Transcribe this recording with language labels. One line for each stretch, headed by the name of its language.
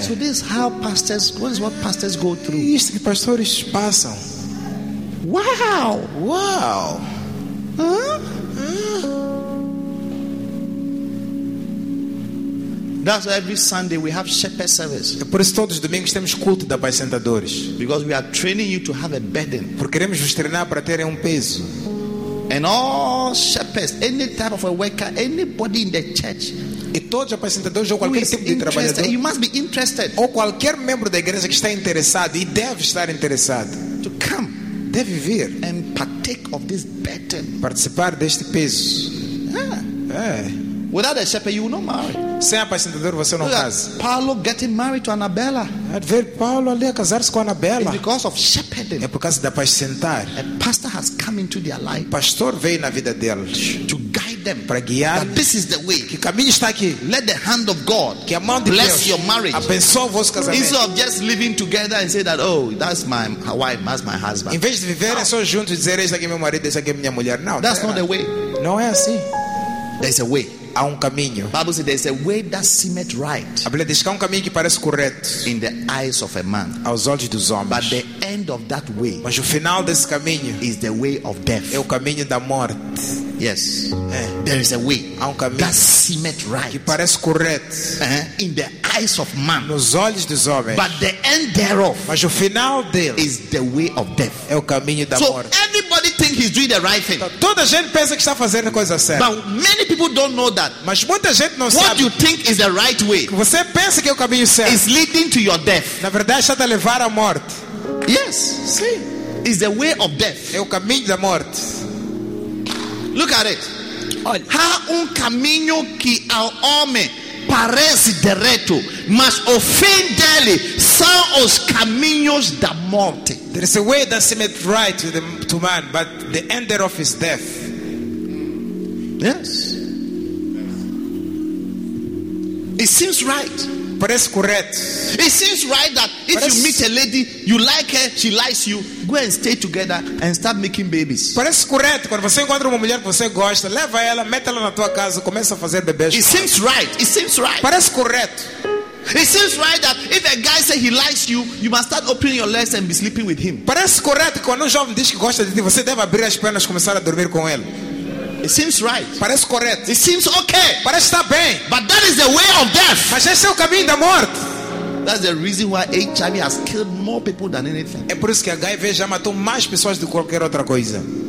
English: So this is how pastors, what is what pastors go through?
Portuguese: Isto que pastores passam.
English: Wow! Wow! That's why every Sunday we have shepherd service.
Portuguese: Por isso todos os domingos temos culto de apacentadores.
English: Because we are training you to have a burden.
Portuguese: Porque queremos vos treinar para terem peso.
English: And all shepherds, any type of a worker, anybody in the church.
Portuguese: E todos os apacentadores ou qualquer tipo de trabalhador.
English: You must be interested.
Portuguese: Ou qualquer membro da igreja que está interessado e deve estar interessado.
English: To come,
Portuguese: deve vir
English: and partake of this burden.
Portuguese: Participar deste peso.
English: Yeah.
Portuguese: É.
English: Without a shepherd, you will not marry.
Portuguese: Sem apacentador, você não casa.
English: Paulo getting married to Anabella.
Portuguese: Ver Paulo ali a casar-se com Anabella.
English: It's because of shepherding.
Portuguese: É por causa de apacentar.
English: A pastor has come into their life.
Portuguese: O pastor veio na vida deles.
English: To guide them.
Portuguese: Para guiar.
English: That this is the way.
Portuguese: Que caminho está aqui.
English: Let the hand of God
Portuguese: que a mão de
English: bless
Portuguese: Deus
English: your marriage.
Portuguese: Abençoe vosso casamento.
English: Instead of just living together and say that, oh, that's my wife, that's my husband.
Portuguese: Em vez de viverem só juntos e dizer, esse aqui é meu marido, esse aqui é minha mulher. Não,
English: that's not the way.
Portuguese: Não é assim.
English: There's a way.
Portuguese: há um caminho.
English: Bible says there's a way that seemeth right.
Portuguese: A Bíblia diz que há um caminho que parece correto.
English: In the eyes of a man.
Portuguese: Aos olhos dos homens.
English: But the end of that way.
Portuguese: Mas o final desse caminho.
English: Is the way of death.
Portuguese: É o caminho da morte.
English: Yes.
Portuguese: É.
English: There is a way.
Portuguese: Há um caminho.
English: That seemeth right.
Portuguese: Que parece correto.
English: Uh-huh. In the eyes of man.
Portuguese: Nos olhos dos homens.
English: But the end thereof.
Portuguese: Mas o final dele.
English: Is the way of death.
Portuguese: É o caminho da morte.
English: So everybody think he's doing the right thing.
Portuguese: Toda gente pensa que está fazendo a coisa certa.
English: But many people don't know that.
Portuguese: Mas muita gente não
English: what
Portuguese: sabe.
English: What you think is the right way.
Portuguese: Você pensa que é o caminho certo.
English: Is leading to your death.
Portuguese: Na verdade está a levar à morte.
English: Yes.
Portuguese: Sim.
English: Is the way of death.
Portuguese: É o caminho da morte.
English: Look at it.
Portuguese: Olha. Há um caminho que ao homem parece direto, mas o fim dele são os caminhos da morte.
English: There is a way that seems right to to man, but the end thereof is death. Yes. It seems right.
Portuguese: Parece correto.
English: It seems right that if parece... you meet a lady, you like her, she likes you, go and stay together and start making babies.
Portuguese: Parece correto quando você encontra uma mulher que você gosta, leva ela, mete ela na tua casa, começa a fazer bebês.
English: It seems right. It seems right.
Portuguese: Parece correto.
English: It seems right that if a guy says he likes you, you must start opening your legs and be sleeping with him.
Portuguese: Parece correto quando jovem diz que gosta de ti, você deve abrir as pernas e começar a dormir com ele.
English: It seems right.
Portuguese: Parece correto.
English: It seems okay.
Portuguese: Parece estar bem.
English: But that is the way of death.
Portuguese: Mas esse é o caminho da morte.
English: That's the reason why HIV has killed more people than anything.
Portuguese: É por isso que a HIV já matou mais pessoas do que qualquer outra coisa.